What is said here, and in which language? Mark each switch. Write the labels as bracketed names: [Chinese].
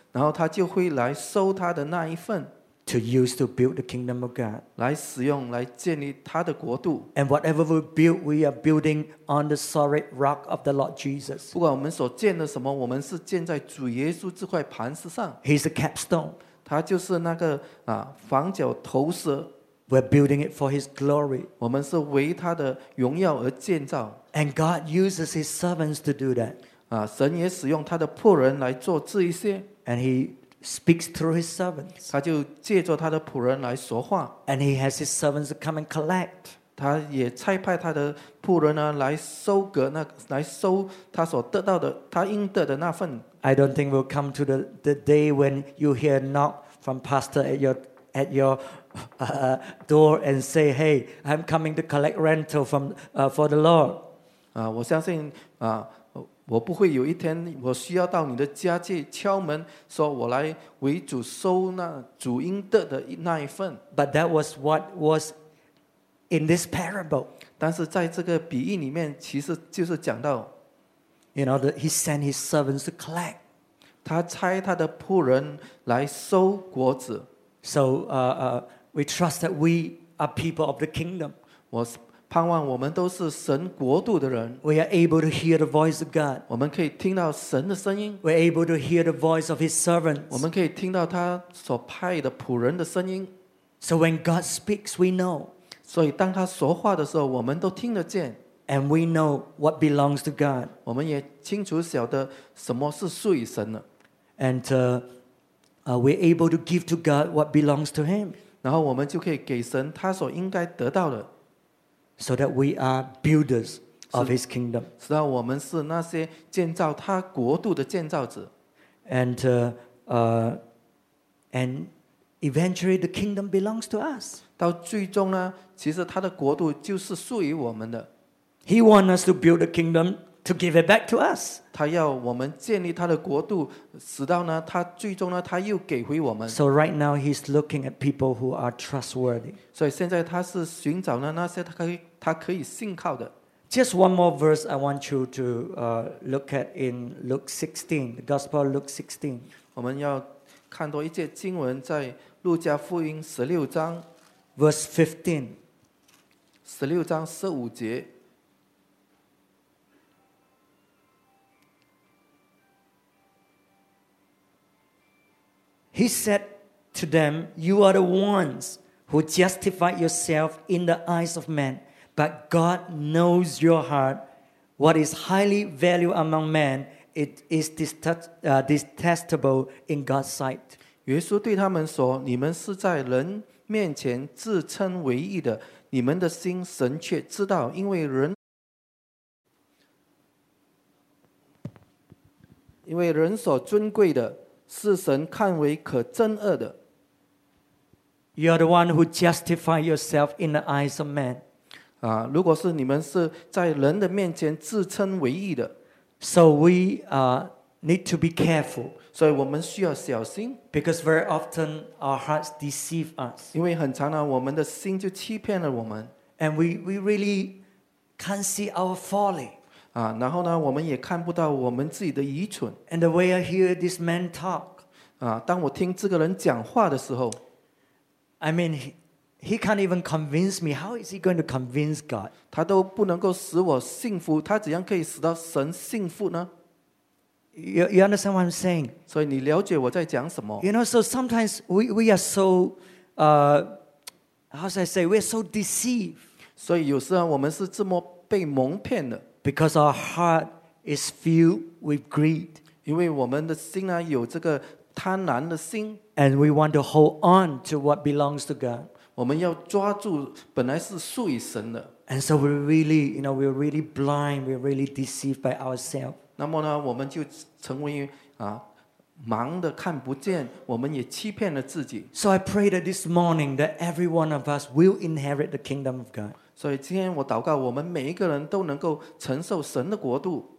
[Chinese] 然后他就会来收他的那一份。 [English] To use to build the kingdom of God, [Chinese] 来使用来建立他的国度。 [English] And whatever we build, we are building on the solid rock of the Lord Jesus. [Chinese] 不管我们所建的什么，我们是建在主耶稣这块磐石上。 [English] He's the capstone. [Chinese] 他就是那个房角头石。 [English] We're building it for His glory. [Chinese] 我们是为他的荣耀而建造。 [English] And God uses His servants to do that. [Chinese] 神也使用他的仆人来做这一些。 [English] And He speaks through his servants. [Chinese] 他就借着他的仆人来说话。 [English] And he has his servants to come and collect. [Chinese] 他也差派他的仆人呢来收割那来收他所得到的他应得的那份。 [English] I don't think we'll come to the day when you hear knock from pastor at your door and say, "Hey, I'm coming to collect rental for the Lord." [Chinese] 我相信我不会有一天我需要到你的家去敲门说我来为主收那主应得的那一份 [English] But that was what was in this parable [Chinese] 但是在这个比喻里面其实就是讲到 [English] You know that he sent his servants to collect [Chinese] 他差他的仆人来收果子 [English] So we trust that we are people of the kingdom [Chinese] 我盼望我们都是神国度的人。 [English] We are able to hear the voice of God. [Chinese] 我们可以听到神的声音。 [English] We're able to hear the voice of His servants. [Chinese] 我们可以听到他所派的仆人的声音。 [English] So when God speaks, we know. [Chinese] 所以当他说话的时候，我们都听得见。 [English] And we know what belongs to God. [Chinese] 我们也清楚晓得什么是属于神的。 [English] And we're able to give to God what belongs to Him. [Chinese] 然后我们就可以给神他所应该得到的。 [English] So that we are builders of His kingdom. [Chinese] 使得我们是那些建造他国度的建造者。 [English] And eventually the kingdom belongs to us. [Chinese] 到最终呢，其实他的国度就是属于我们的。 [English] He wants us to build a kingdom to give it back to us. [Chinese] 他要我们建立他的国度，使到呢，他最终呢，他又给回我们。 [English] So right now he's looking at people who are trustworthy. [Chinese] 所以现在他是寻找了那些他可以信靠的。 [English] Just one more verse I want you to look at in Luke 16, the Gospel of Luke 16. [Chinese] 我们要看多一节经文在路加福音十六章 [English] ，verse 15。 [Chinese] 十六章十五节。 [English] He said to them, "You are the ones who justified yourself in the eyes of men." But God knows your heart. What is highly valued among men, it is detestable in God's sight. [Chinese] 耶稣对他们说，你们是在人面前自称为义的，你们的心神却知道，因为人所尊贵的，是神看为可憎恶的。 [English] You are the one who justify yourself in the eyes of men. [Chinese] 如果是你们是在人的面前自称为义的。 [English] So we need to be careful. [Chinese] 所以我们需要小心。 [English] Because very often our hearts deceive us. [Chinese] 因为很常呢，我们的心就欺骗了我们。 [English] And we really can't see our folly. [Chinese] 然后呢，我们也看不到我们自己的愚蠢。 [English] And the way I hear this man talk. [Chinese] 当我听这个人讲话的时候 [English] I mean he can't even convince me. How is he going to convince God? [Chinese] 他都不能够使我信服，他怎样可以使到神信服呢？ [English] You understand what I'm saying? [Chinese] 所以你了解我在讲什么？ [English] You know, so sometimes we are so how should I say, we are so deceived. [Chinese] 所以有时候我们是这么被蒙骗的。 [English] Because our heart is filled with greed. [Chinese] 因为我们的心呢，有这个贪婪的心。 [English] And we want to hold on to what belongs to God. [Chinese] 我们要抓住本来是属于神的。 [English] And so we're really, you know, we're really blind, we're really deceived by ourselves. [Chinese] 那么呢，我们就成为盲的看不见，我们也欺骗了自己。 [English] So I pray that this morning that every one of us will inherit the kingdom of God. [Chinese] 所以今天我祷告，我们每一个人都能够承受神的国度。